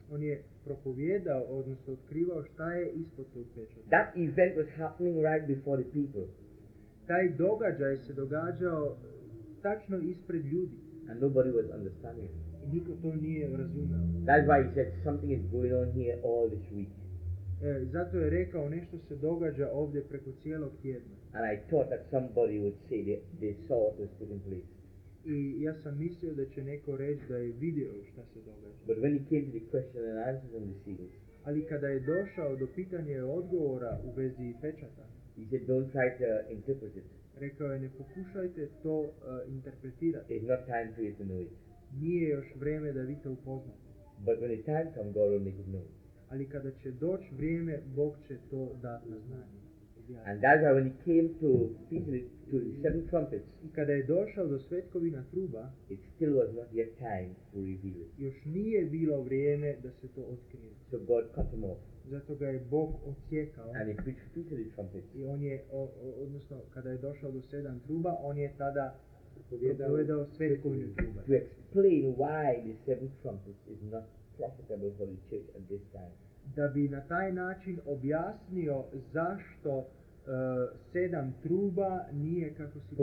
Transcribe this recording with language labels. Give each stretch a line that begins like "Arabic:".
Croatian: On je propovjedao, odnosno otkrivao šta je ispod tog pečata.
English: That event was happening right before the people.
Croatian: Taj događaj se događao tačno ispred ljudi.
English: And nobody was understanding.
Croatian: I niko to nije razumeo.
English: That's why he said something is going on here all this week.
Croatian: Zato je rekao nešto se događa ovdje preko cijelog tjedna.
English: And I thought that somebody would say that they saw what was taking place.
Croatian: I ja sam mislio da će neko reći da je vidio šta se događa.
English: But when he came to the question and answers on the seals.
Croatian: Ali kada je došao do pitanja i odgovora u vezi pečata.
English: He said, don't try to interpret it.
Croatian: Rekao je, ne pokušajte to interpretirati.
English: It's not time for you to know it.
Croatian: Nije još vrijeme da vi to upoznate.
English: But when the time comes, God will make it known.
Croatian: Ali kada će doći vrijeme, Bog će to dati na znanje.
English: And that's why when he came to Peter to the seven trumpets.
Croatian: I kada je došao do svetkovina truba,
English: it still was not yet time to reveal it.
Croatian: Još nije bilo vrijeme da se to otkrije.
English: So God cut him off.
Croatian: Zato ga je Bog odsjekao.
English: And he preached Peter the trumpets.
Croatian: I on je, odnosno kada je došao do sedam truba, on je tada propovjedao svetkovinu truba.
English: To explain why the seven trumpets is not profitable for the church at this time.
Croatian: Da bi na taj način objasnio zašto sedam truba nije kako se